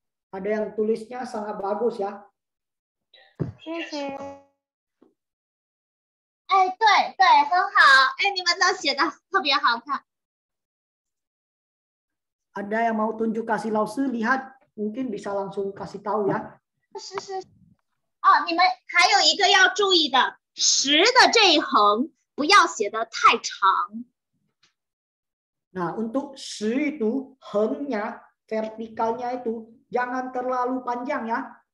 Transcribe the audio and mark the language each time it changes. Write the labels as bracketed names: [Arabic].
[Indonesian] Ada yang tulisnya sangat bagus ya. [Chinese] 谢谢。哎，对对，很好。哎，你们都写的特别好看。 [Indonesian] Ada yang mau tunjuk kasih Lao Su lihat mungkin bisa langsung kasih tahu ya. [Chinese] 是是是。哦，你们还有一个要注意的， 十的这一横不要写的太长。 [Indonesian] Nah, untuk 十 itu hengnya, vertikalnya itu jangan terlalu panjang ya.